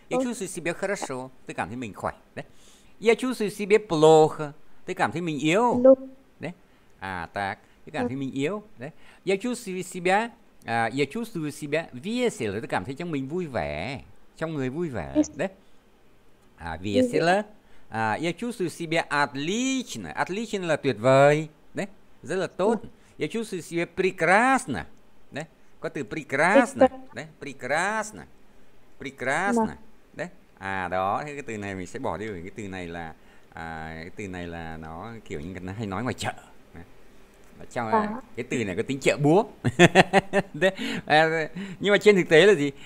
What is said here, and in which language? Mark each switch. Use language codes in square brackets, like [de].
[ru] Я чувствую себя хорошо. [vi] Tôi cảm thấy mình khỏe. Đấy. [ru] Я чувствую себя плохо. [vi] Tôi cảm thấy mình yếu. À tak, tôi cảm thấy mình yếu đấy. [ru] Я чувствую себя, à, я чувствую себя весело, [vi] tôi cảm thấy trong mình vui vẻ, trong người vui vẻ đấy. [ru] À весело. À я чувствую себя отлично. [vi] Отлично là tuyệt vời, đấy. Rất là tốt. [ru] Я чувствую себя прекрасно. [vi] Đấy. Có từ [ru] прекрасно, [vi] đấy, прекрасно. Прекрасно, đấy. À đó, cái từ này mình sẽ bỏ đi bởi cái từ này là à, cái từ này là nó kiểu như người ta hay nói ngoài chợ. Trong à. Cái từ này có tính trợ búa. Đấy. À, nhưng mà trên thực tế là gì?